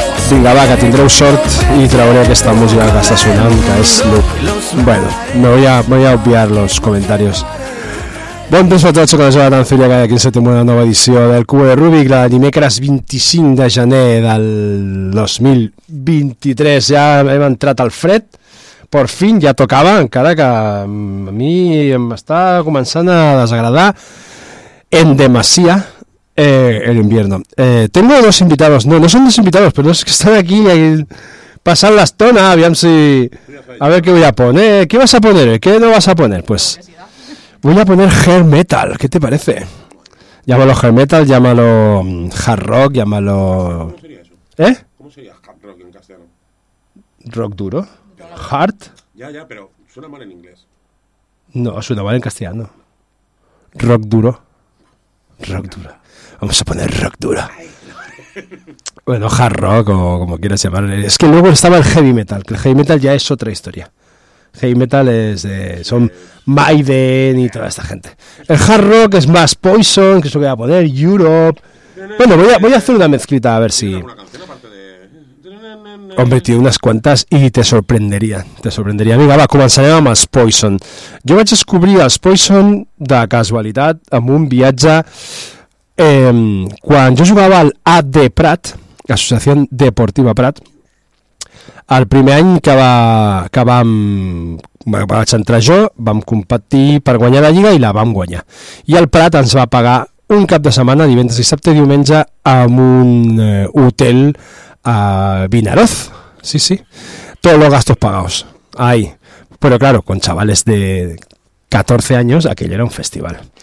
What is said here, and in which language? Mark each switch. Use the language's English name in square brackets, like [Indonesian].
[Catalan] Vinga, va, que tindreu sort i traureu aquesta música que està sonant, que és Loop. [Spanish] Bueno, me voy a obviar los comentarios. [Catalan] Bon temps a tots, que les van fer llegar aquí en setembre una nova edició del Cubo de Rubik, la dimecres 25 de gener del 2023. Ja hem entrat al fred, per fin ja tocava, encara que a mi em està començant a desagradar [Spanish] en demasia el invierno. Tengo dos invitados, no son dos invitados, pero es que están aquí pasando la estona, aviam si... A ver qué voy a poner, ¿qué vas a poner? ¿Qué no vas a poner? Pues... Voy a poner hair metal, ¿qué te parece? Llámalo hair metal, llámalo hard rock, llámalo... ¿Cómo sería eso? ¿Eh? ¿Cómo sería hard rock en castellano? ¿Rock duro? ¿Hard? Ya, pero suena mal en inglés. No, suena mal en castellano. ¿Rock duro? Rock duro. Vamos a poner rock duro. Bueno, hard rock o como quieras llamarle. Es que luego estaba el heavy metal, que el heavy metal ya es otra historia. Heavy metal es de, son Maiden y toda esta gente. El hard rock es más Poison, que eso voy a poner, Europe. Bueno, voy a hacer una mezclita a ver si... Hombre, tío, unas cuantas y te sorprendería. [Catalan] Venga, va, començarem amb els Poison. Jo vaig descobrir els Poison de casualitat amb un viatge quan jo jugava al AD Prat, Associació Deportiva Prat. El primer any que vaig entrar jo, vam competir per guanyar la Lliga i la vam guanyar. I el Prat ens va pagar un cap de setmana, divendres, dissabte i diumenge, amb un hotel a Vinaroz. Sí, sí. [Spanish] Todos los gastos pagados. Ahí. Pero claro, con chavales de 14 años, aquello era un festival.